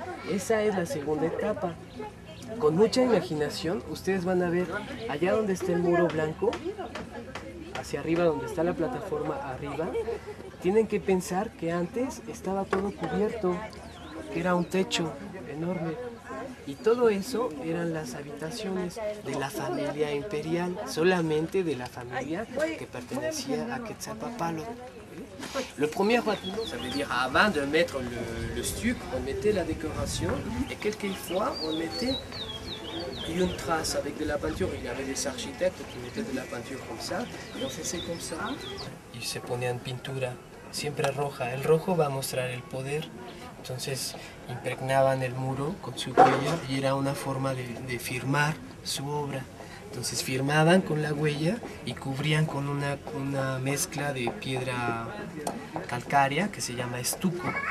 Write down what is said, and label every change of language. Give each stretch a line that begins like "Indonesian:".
Spanish: Esa es la segunda etapa. Con mucha imaginación, ustedes van a ver allá donde está el muro blanco, hacia arriba donde está la plataforma arriba, tienen que pensar que antes estaba todo cubierto, que era un techo enorme. Y todo eso eran las habitaciones de la familia imperial, solamente de la familia que pertenecía a Quetzalcóatl.
French: Le premier bâtiment, ça veut dire avant de mettre le stuc, on mettait la décoration et quelquefois on mettait une trace avec de la peinture. Il y avait des architectes qui mettaient de la peinture comme ça et on faisait comme ça. Ils se ponaient
Spanish: en pintura, siempre roja. El rojo va a mostrar el poder. Entonces impregnaban el muro con su huella y era una forma de firmar su obra. Entonces firmaban con la huella y cubrían con una mezcla de piedra calcárea que se llama estuco.